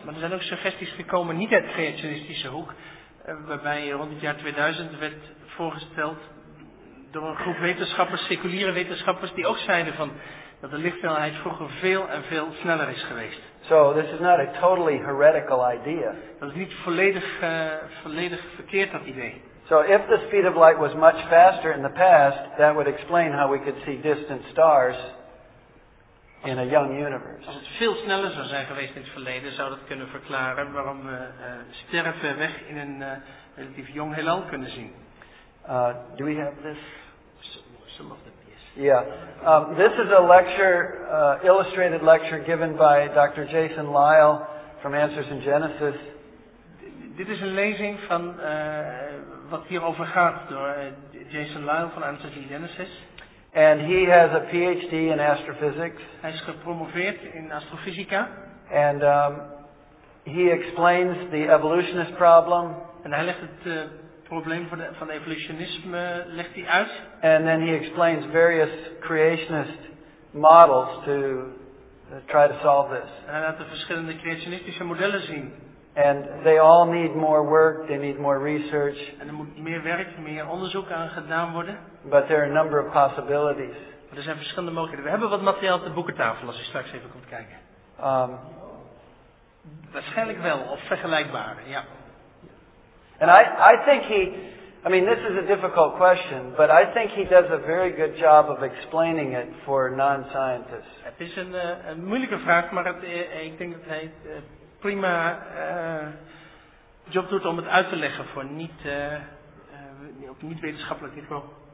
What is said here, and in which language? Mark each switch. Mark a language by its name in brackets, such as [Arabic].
[Dutch] Maar er zijn ook suggesties gekomen niet uit creationistische hoek, waarbij rond het jaar 2000 werd voorgesteld door een groep wetenschappers, seculiere wetenschappers, die ook zeiden van dat de lichtsnelheid vroeger veel en veel sneller is geweest. [English] So this is not a totally heretical idea. [Dutch] Dat is niet volledig verkeerd, dat idee. [English] So if the speed of light was much faster in the past, that would explain how we could see distant stars in a young universe. [Dutch] Als het veel sneller zou zijn geweest in het verleden, zou dat kunnen verklaren waarom we sterren ver weg in een relatief jong heelal kunnen zien. [English] Do we have this? Some of them, yes. Yeah. This is a lecture, illustrated lecture given by Dr. Jason Lyle from Answers in Genesis. [Dutch] Dit is een lezing van wat hierover gaat door Jason Lyle van Answers in Genesis. [English] And he has a PhD in astrophysics. [Dutch] Hij is gepromoveerd in astrofysica. [English] And he explains the evolutionist problem. [Dutch] En hij legt het probleem van evolutionisme legt hij uit. [English] And then he explains various creationist models to try to solve this. [Dutch] En hij laat de verschillende creationistische modellen zien. [English] And they all need more work, they need more research. [Dutch] En er moet meer werk, meer onderzoek aan gedaan worden. [English] But there are a number of possibilities. [Dutch] Maar er zijn verschillende mogelijkheden. We hebben wat materiaal op de boekentafel als je straks even komt kijken. Waarschijnlijk wel, of vergelijkbare, ja. [English] And I think he, I mean, this is a difficult question, but I think he does a very good job of explaining it for non-scientists. [Dutch] Het is een moeilijke vraag, maar ik denk dat hij prima job doet om het uit te leggen voor niet wetenschappelijk niveau.